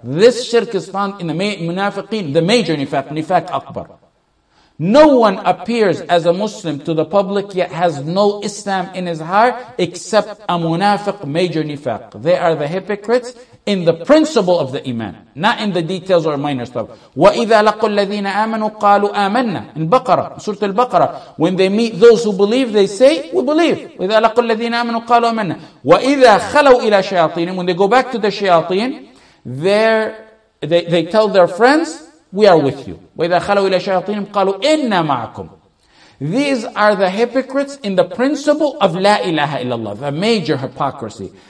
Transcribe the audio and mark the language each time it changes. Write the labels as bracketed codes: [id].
[en] This shirk is found in the munafiqeen, the major nifaq, nifaq akbar. No one appears as a Muslim to the public yet has no Islam in his heart except a munafiq, major nifaq. They are the hypocrites in the principle of the iman, not in the details or minor stuff. [ar] وَإِذَا لَقُوا الَّذِينَ آمَنُوا قَالُوا آمَنَّا in Baqarah, Surah Al-Baqarah. [en] When they meet those who believe, they say, we believe. [ar] وَإِذَا لَقُوا الَّذِينَ آمَنُوا قَالُوا آمَنَّا وَإِذَا خَلَوْا إِلَى شَيَاطِينِ [en] when they go back to the shayateen, they tell their friends, we are with you. [ar] وَإِذَا خَلَوْا إِلَى شَيَاطِينِ قَالُوا إِنَّا مَعَكُمْ. [en] These are the hypocrites in the principle of [ar] لا إله إلا الله, [en] the major hypocrisy.